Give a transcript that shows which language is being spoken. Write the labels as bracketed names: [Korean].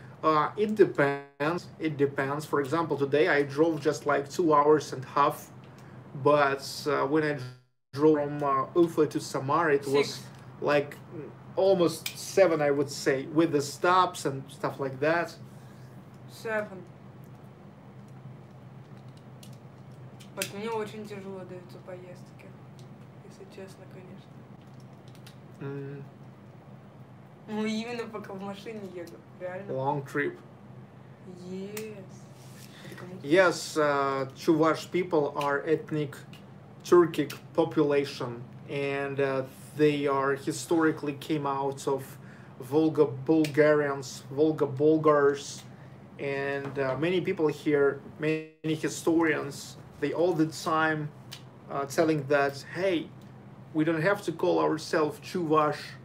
[English] It depends. For example, today I drove just like 2 hours and a half. But when I drove from Ufa to Samara, it was like almost 7, I would say, with the stops and stuff like that. 7. [Russian] But мне очень тяжело даются поездки, если честно, конечно. Ну именно пока в машине еду, реально. [English] Long trip. Yes. Yes, Chuvash people are ethnic Turkic population, and they are historically came out of Volga Bulgarians, Volga Bulgars, and many people here, many historians, they all the time telling that, hey, we don't have to call ourselves Chuvash,